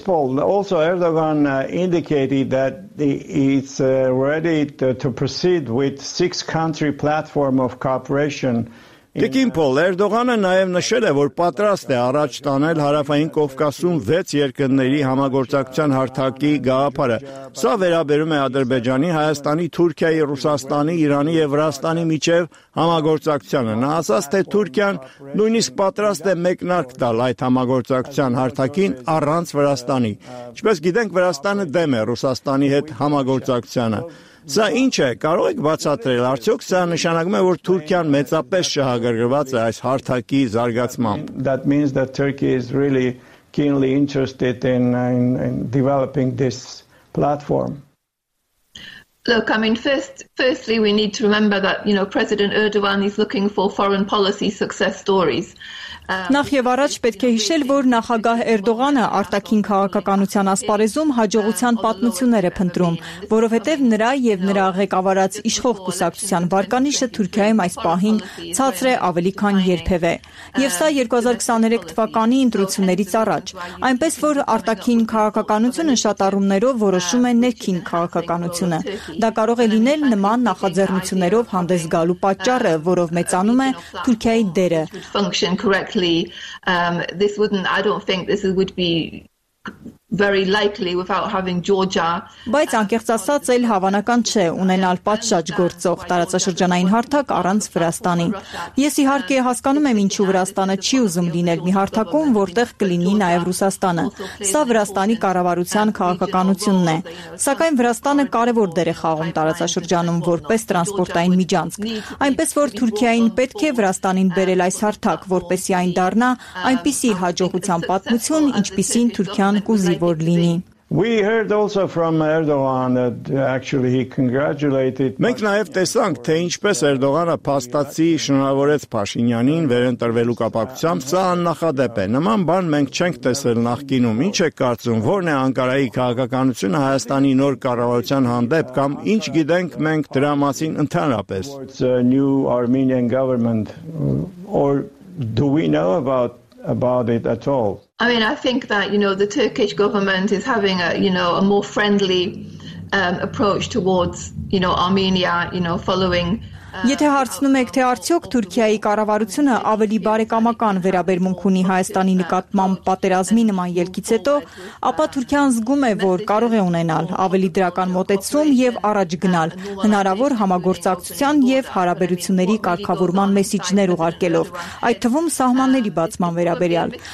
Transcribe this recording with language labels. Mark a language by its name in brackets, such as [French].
[English] Paul, also Erdogan indicated that it's ready to proceed with six-country platform of cooperation [Armenian] Տիկին Փոլ, Էրդողանը նաև նշել է, որ պատրաստ է առաջ տանել Հարավային Կովկասում 6 երկրների համագործակցության հարթակի գաղափարը։ Սա վերաբերում է Ադրբեջանի, Հայաստանի, Թուրքիայի, Ռուսաստանի, Իրանի և Վրաստանի միջև համագործակցությանը։ Նա ասաց, թե Թուրքիան նույնիսկ պատրաստ է մեկնարկ տալ այդ համագործակցության հարթակին առանց Վրաստանի։ Ինչպես գիտենք, Վրաստանը դեմ է Ռուսաստանի հետ համագործակցությանը։ Սա ինչ է, կարող եք բացատրել, արդյոք սա նշանակում է, որ Թուրքիան մեծապես շահագրգռված է այս հարթակի զարգացմամբ։ [English] That means that Turkey is really keenly interested in developing this platform. Look, I mean, firstly, we need to remember that, you know, President Erdogan is looking for foreign policy success stories. [Armenian] Նախ եւ առաջ պետք է հիշել, որ նախագահ Էրդողանը արտաքին քաղաքականության ասպարեզում հաջողության պատմություններ է փնտրում, որովհետեւ նրա եւ նրա ղեկավարած իշխող կուսակցության վարկանիշը Թուրքիայում այս պահին ցածր է ավելի քան երբևէ։ Եվ սա 2023 թվականի ընտրություններից առաջ, այնպես որ արտաքին քաղաքականությունը շատ առումներով որոշում է ներքին քաղաքականությունը։ Դա կարող է լինել նման նախաձեռնություններով հանդես գալու պատճառը, որով մեծանում է Թուրքիայի դերը։ [English] Correctly, this wouldn't, I don't think this would be very likely without having Georgia. [Armenian] Բայց անկեղծ ասած, այլ հավանական չէ ունենալ պատշաճ գործող տարածաշրջանային հարթակ առանց Վրաստանի։ Ես իհարկե հասկանում եմ, ինչու Վրաստանը չի ուզում լինել մի հարթակում, որտեղ կլինի նաև Ռուսաստանը։ Սա Վրաստանի կառավարության քաղաքականությունն է։ Սակայն Վրաստանը կարևոր դեր է խաղում տարածաշրջանում որպես տրանսպորտային միջանցք, այնպես որ Թուրքիային պետք է Վրաստանին բերել այս հարթակ, որպեսզի այն դառնա այնպիսի հաջողության պատմություն, ինչպիսին Թուրքիան կուզի։ [English] We heard also from Erdogan that actually he congratulated. [Armenian] Մենք նաև տեսանք, թե ինչպես Էրդողանը փաստացի շնորհավորեց Փաշինյանին վերընտրվելու կապակցությամբ, սա աննախադեպ է։ Նման բան մենք չենք տեսել նախկինում։ Ինչ եք կարծում, որն է Անկարայի քաղաքականությունը Հայաստանի նոր կառավարության հանդեպ, կամ ինչ գիտենք մենք դրա մասին ընդհանրապես? [English] New Armenian government or do we know about it at all? I mean, I think that, you know, the Turkish government is having a, you know, a more friendly approach towards, you know, Armenia, you know, following... [Armenian] Եթե հարցնում եք, թե արդյոք Թուրքիայի կառավարությունը ավելի բարեկամական վերաբերմունք ունի Հայաստանի նկատմամբ պատերազմի նման ելքից հետո, ապա Թուրքիան զգում է, որ կարող է ունենալ ավելի դրական մոտեցում եւ առաջ գնալ հնարավոր համագործակցության եւ հարաբերությունների կարգավորման մեսիջներ ուղարկելով, այդ թվում սահմանների բացման վերաբերյալ,